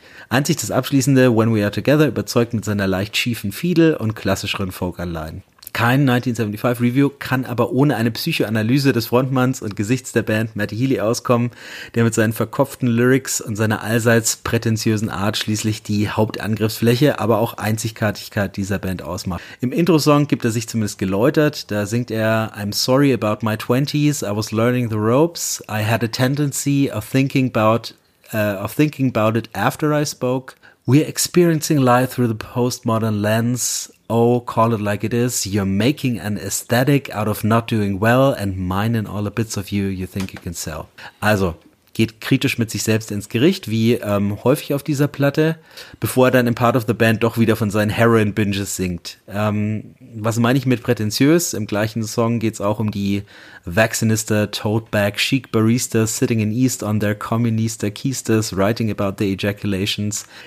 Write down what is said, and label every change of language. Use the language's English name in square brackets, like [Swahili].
[German] Einzig das abschließende When We Are Together überzeugt mit seiner leicht schiefen Fiedel und klassischeren Folk-Anleihen. kein 1975 Review, kann aber ohne eine Psychoanalyse des Frontmanns und Gesichts der Band Matty Healy auskommen, der mit seinen verkopften Lyrics und seiner allseits prätentiösen Art schließlich die Hauptangriffsfläche, aber auch Einzigartigkeit dieser Band ausmacht. Im Intro-Song gibt er sich zumindest geläutert, da singt er [English] I'm sorry about my 20s, I was learning the ropes, I had a tendency of thinking about it after I spoke. We're experiencing life through the postmodern lens. Oh, call it like it is. You're making an aesthetic out of not doing well and mining all the bits of you you think you can sell. [German] Also, geht kritisch mit sich selbst ins Gericht, wie häufig auf dieser Platte, bevor er dann im Part of the Band doch wieder von seinen Heroin-Binges singt. Was meine ich mit prätentiös? Im gleichen Song geht's auch um die [English] Vaccinista, Toadbag, Chic Barista, Sitting in East on their Communista Keistas, Writing about the Ejaculations.